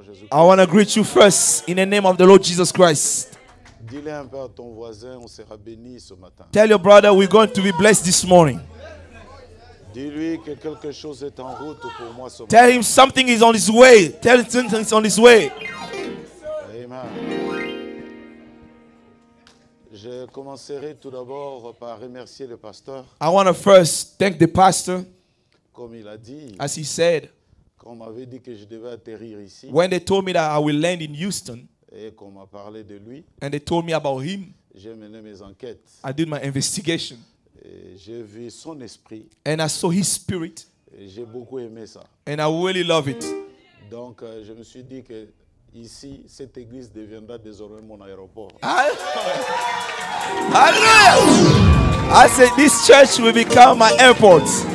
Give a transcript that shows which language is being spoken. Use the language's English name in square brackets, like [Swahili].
[English] I want to greet you first in the name of the Lord Jesus Christ. [French] Dis-le un peu à ton voisin, on sera béni ce matin. [English] Tell your brother we're going to be blessed this morning. [French] Dis-lui que quelque chose est en route pour moi ce matin. [English] Tell him something is on his way. Tell him something is on his way. Amen. [French] Je commencerai tout d'abord par remercier le pasteur. [English] I want to first thank the pastor. [French] Comme il a dit. [English] As he said. [French] Quand on m'avait dit que je devais atterrir ici. [English] When they told me that I will land in Houston. [French] Et qu'on m'a parlé de lui. [English] And they told me about him. [French] J'ai mené mes enquêtes. [English] I did my investigation. [French] Et j'ai vu son esprit. [English] And I saw his spirit. [French] Et j'ai beaucoup aimé ça. [English] And I really love it. [French] Donc je me suis dit que ici cette église deviendra désormais mon aéroport. [English] I said this church will become my airport.